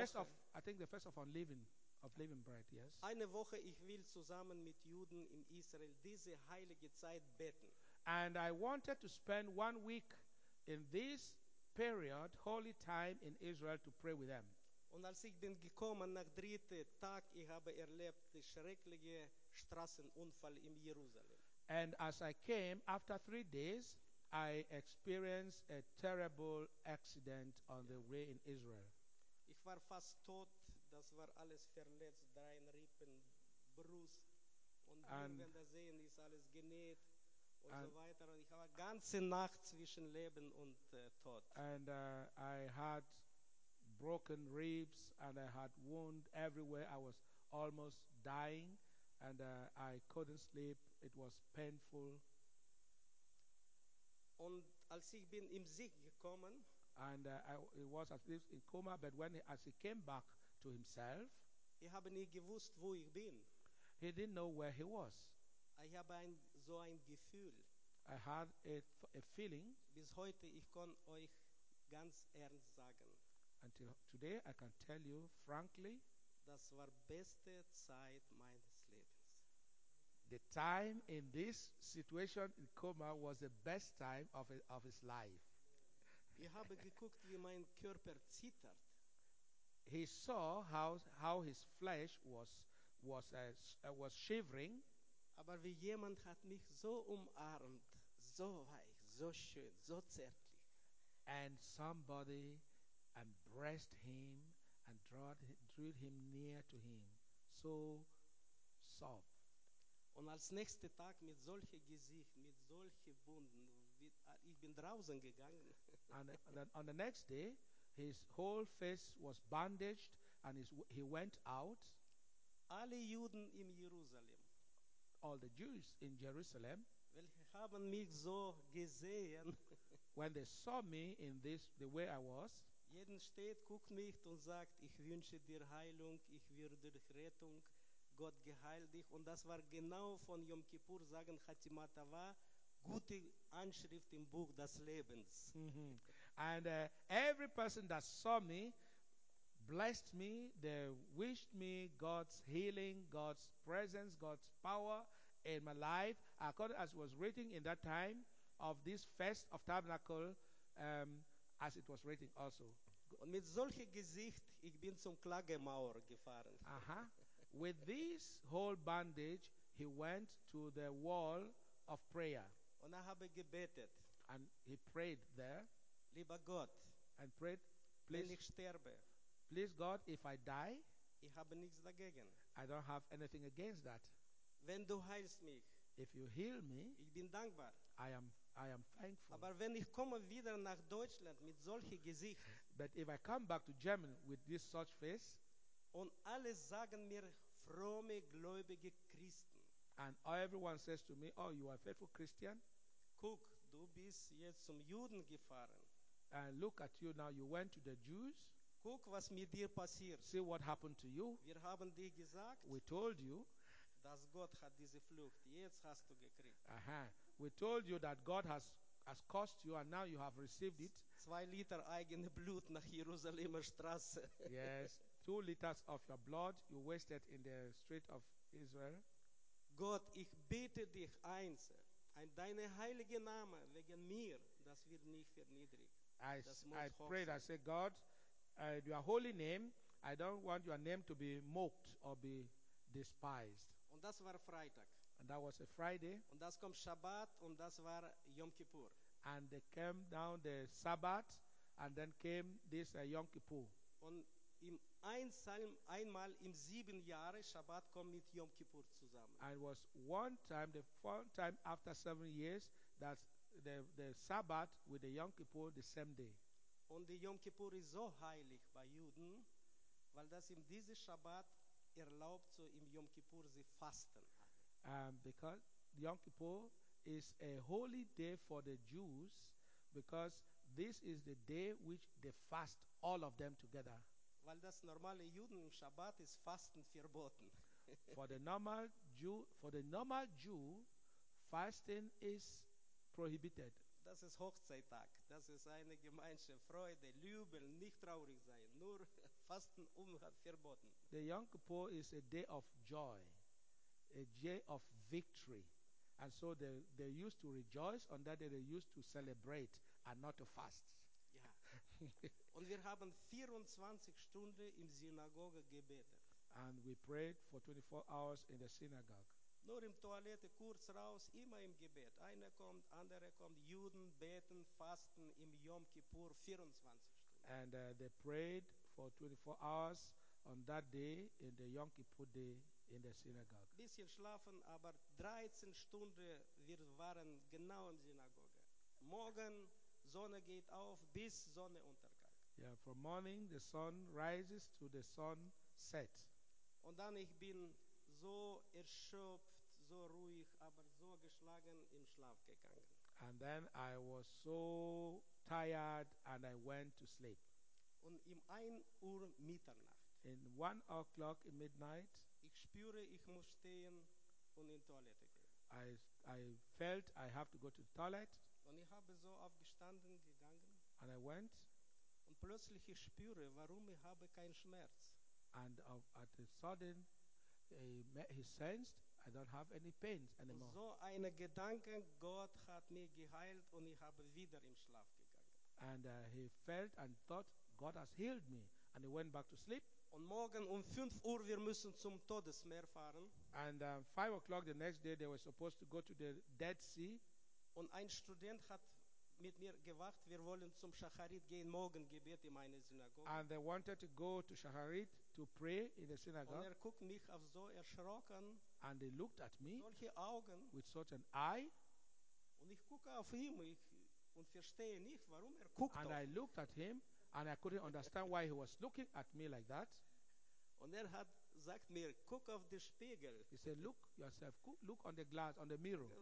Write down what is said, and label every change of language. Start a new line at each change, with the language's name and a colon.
English: Fest of I think the fest of unleavened of living bread. Yes.
German: Eine Woche. Ich will zusammen mit Juden in Israel diese heilige Zeit beten.
English: And I wanted to spend 1 week in this period, holy time in Israel, to pray with them.
German: Und als ich bin gekommen nach 3. Tag, ich habe erlebt den schrecklichen Straßenunfall in Jerusalem.
English: And as I came, after 3 days, I experienced a terrible accident on the way in Israel.
German: Ich war fast tot, das war alles verletzt, 3 Rippen, Brust. Und wenn wir das sehen, ist alles genäht und so weiter. Und ich habe eine ganze Nacht zwischen Leben und Tod.
English: And I had broken ribs and I had wound everywhere. I was almost dying and I couldn't sleep. It was painful.
German: Und als ich bin im Sieg gekommen,
English: and it was at least in coma, but as he came back to himself,
German: ich habe nie gewusst, wo ich bin.
English: He didn't know where he was.
German: Ich habe so ein Gefühl.
English: I had a feeling.
German: Bis heute, ich kann euch ganz ernst sagen.
English: Until today, I can tell you frankly,
German: das war beste Zeit meines Lebens.
English: The time in this situation in coma was the best time of his life.
German: Ich habe geguckt, wie mein Körper zittert.
English: He saw how his flesh was shivering.
German: Aber wie jemand hat mich so umarmt, so weich, so schön, so zärtlich.
English: And somebody embraced him and drew him near to him, so soft.
German: Und als nächste Tag mit solchem Gesicht, mit solchen Wunden, ich bin draußen gegangen.
English: And then on the next day, his whole face was bandaged and he went out.
German: Alle Juden in Jerusalem.
English: All the Jews in Jerusalem.
German: Welche haben mich so gesehen.
English: When they saw me in this, the way I was.
German: Jeden steht, guckt mich und sagt, ich wünsche dir Heilung, ich würde dich Rettung, Gott geheilt dich. Und das war genau von Yom Kippur, sagen Hatimatawa, gute Anschrift im Buch des Lebens.
English: And every person that saw me, blessed me, they wished me God's healing, God's presence, God's power in my life. According as was written in that time of this Feast of Tabernacle, as it was written also.
German: Und mit solchem Gesicht, ich bin zum Klagemauer gefahren. Uh-huh.
English: With this whole bandage, he went to the wall of prayer.
German: Und habe gebetet.
English: And he prayed there.
German: Lieber Gott,
English: and prayed, please God, if I die,
German: ich habe nichts dagegen.
English: I don't have anything against that.
German: Wenn du heilst mich,
English: if you heal me,
German: ich bin dankbar.
English: I am thankful.
German: Aber wenn ich komme wieder nach Deutschland mit solchem Gesicht,
English: but if I come back to Germany with this such face,
German: und alle sagen mir fromme gläubige Christen,
English: and everyone says to me, oh, you are a faithful Christian.
German: Guck, du bist jetzt zum Juden gefahren.
English: And look at you now, you went to the Jews.
German: Guck, was mit dir passiert.
English: See what happened to you.
German: Wir haben dir gesagt,
English: we told you.
German: Dass Gott hat diese Flucht. Jetzt hast du gekriegt. Uh-huh.
English: We told you that God has cost you and now you have received it.
German: 2 liters eigene Blut nach Jerusalemer Straße.
English: Yes, 2 liters of your blood you wasted in the street of Israel.
German: Gott, ich bitte dich eins, an deinen heiligen Namen wegen mir, dass wir nicht verniedrigt.
English: I pray, God, your holy name, I don't want your name to be mocked or be despised.
German: Und das war Freitag.
English: And that was a Friday.
German: Und das kommt Shabbat und das war Yom Kippur.
English: And they came down the Sabbath and then came this Yom Kippur.
German: Und im einmal im 7 Jahre Shabbat kommt mit Yom Kippur zusammen.
English: And it was one time, the one time after 7 years that the Sabbath with the Yom Kippur the same day.
German: Und die Yom Kippur ist so heilig bei Juden, weil das in diesem Shabbat erlaubt so im Yom Kippur sie fasten.
English: Because Yom Kippur is a holy day for the Jews because this is the day which they fast all of them together.
German: Weil das normale Juden im Shabbat ist Fasten verboten.
English: For the normal Jew, fasting is prohibited.
German: Das ist Hochzeittag. Das ist eine gemeinsame Freude, Lübel, nicht traurig sein. Nur Fasten verboten.
English: The Yom Kippur is a day of joy, a day of victory. And so they used to rejoice on that day, they used to celebrate and not to fast.
German: Ja. Und wir haben 24 Stunden im Synagoge gebetet.
English: And we prayed for 24 hours in the synagogue.
German: Nur im Toilette, kurz raus, immer im Gebet. Einer kommt, andere kommt, Juden beten, fasten im Yom Kippur 24 Stunden.
English: And they prayed for 24 hours on that day in the Yom Kippur day in the synagogue.
German: Bisschen schlafen, aber 13 Stunden wir waren genau im Synagoge. Morgen Sonne geht auf bis Sonnenuntergang.
English: Yeah, from morning the sun rises to the sun set.
German: Und dann ich bin so erschöpft, so ruhig, aber so geschlagen im Schlaf gegangen.
English: And then I was so tired and I went to sleep.
German: Und um 1 Uhr Mitternacht.
English: In 1 o'clock in midnight.
German: Ich spüre, ich muss stehen und in Toilette gehen.
English: I felt I have to go to the toilet.
German: Und ich habe so aufgestanden gegangen.
English: And I went.
German: Und plötzlich ich spüre, warum ich habe keinen Schmerz.
English: And at a sudden he sensed I don't have any pains anymore.
German: So eine Gedanke, Gott hat mich geheilt und ich habe wieder im Schlaf gegangen.
English: And he felt and thought God has healed me and he went back to sleep.
German: Und morgen 5 Uhr wir müssen zum Todesmeer fahren.
English: And 5 o'clock the next day they were supposed to go to the Dead Sea.
German: Und ein Student hat mit mir gewacht, wir wollen zum Schacharit gehen, morgen Gebet in meine Synagoge.
English: And they wanted to go to Schacharit to pray in the synagogue.
German: Und er guckt mich auf so erschrocken.
English: And they looked at me.
German: Solche Augen.
English: With such an eye.
German: Und ich gucke auf ihn und verstehe nicht, warum er guckt.
English: And I looked at him and I couldn't understand why he was looking at me like that.
German: Und er hat sagt mir, guck auf den Spiegel.
English: He said, look yourself, look on the glass, on the mirror.